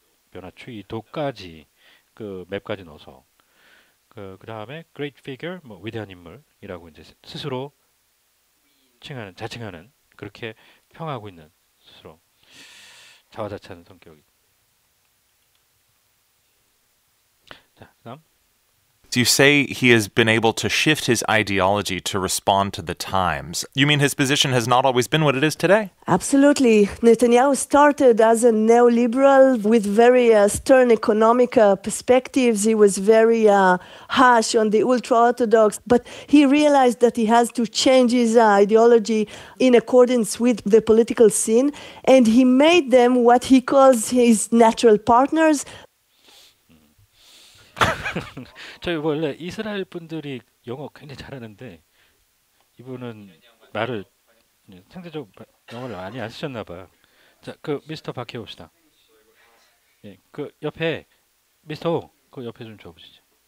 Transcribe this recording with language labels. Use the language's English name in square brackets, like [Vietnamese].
[Korean] 변화 추이도까지 그 맵까지 넣어서 그 다음에 great figure, 뭐 위대한 인물이라고 이제 스스로 칭하는, 자칭하는, 그렇게 평하고 있는 스스로 자화자찬 성격이. 자, 다음. [English] So you say he has been able to shift his ideology to respond to the times. You mean his position has not always been what it is today? Absolutely. Netanyahu started as a neoliberal with very stern economic perspectives. He was very harsh on the ultra-Orthodox. But he realized that he has to change his ideology in accordance with the political scene. And he made them what he calls his natural partners. [Korean] 저희 원래 이스라엘 분들이 영어 굉장히 잘하는데 이분은 말을 상대적으로 영어를 많이 안 쓰셨나 봐요. 자, 그 미스터 박해 봅시다. 예, 그 옆에 미스터 오, 그 옆에 좀 줘보시죠.